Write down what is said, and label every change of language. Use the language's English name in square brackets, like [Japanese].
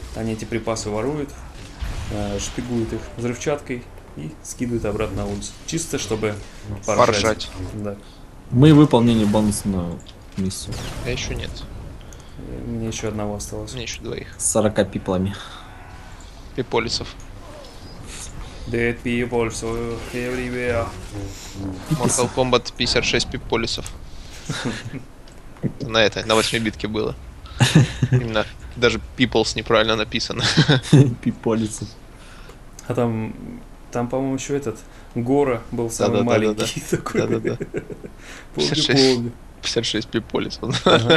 [Russian] Они эти припасы воруют, шпигуют их взрывчаткой. И скидывают обратно на улицу. Чисто, чтобы поржать. Да. Мы выполнили бонусную миссию. А еще нет. Мне еще одного осталось. Мне еще двоих. С 40 пиплами. Пиполисов. [English] Dead people, so everywhere. [Russian] Mortal Kombat 56 пиполисов. На этой, на 8 битке было. Именно даже peoples неправильно написано. Пиполисов. А там... Там, по-моему, еще этот Гора был самый маленький такой. Да-да-да. 56 пиполисов. Ага.